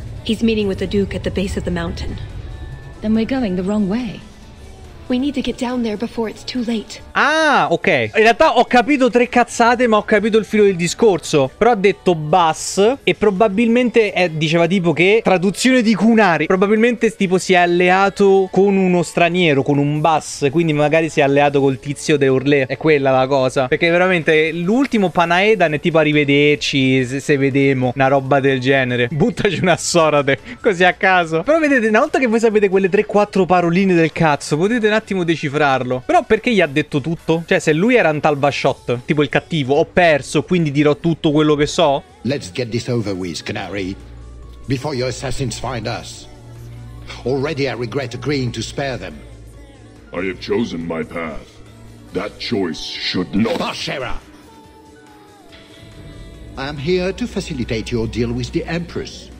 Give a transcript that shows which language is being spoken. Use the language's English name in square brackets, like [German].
[English] He's meeting with the Duke at the base of the mountain. Then we're going the wrong way. We need to get down there before it's too late. [Italian] Ah, ok. In realtà ho capito tre cazzate, ma ho capito il filo del discorso. Però ha detto Bas e probabilmente diceva tipo che, traduzione di Kunari, probabilmente tipo si è alleato con uno straniero, con un Bas, quindi magari si è alleato col tizio de Orlé. È quella la cosa. Perché veramente l'ultimo Panaedan è tipo arrivederci, se vedemo, una roba del genere. Buttaci una sorate, così a caso. Però vedete, una volta che voi sapete quelle 3-4 paroline del cazzo, potete un attimo decifrarlo. Però perché gli ha detto tutto? Cioè, se lui era un Talbashot, tipo il cattivo, ho perso, quindi dirò tutto quello che so. [English] Let's get this over with, Canary, before your assassins find us. Already I regret agreeing to spare them. I have chosen my path. That choice should not. Bashera! I am here to facilitate your deal with the Empress.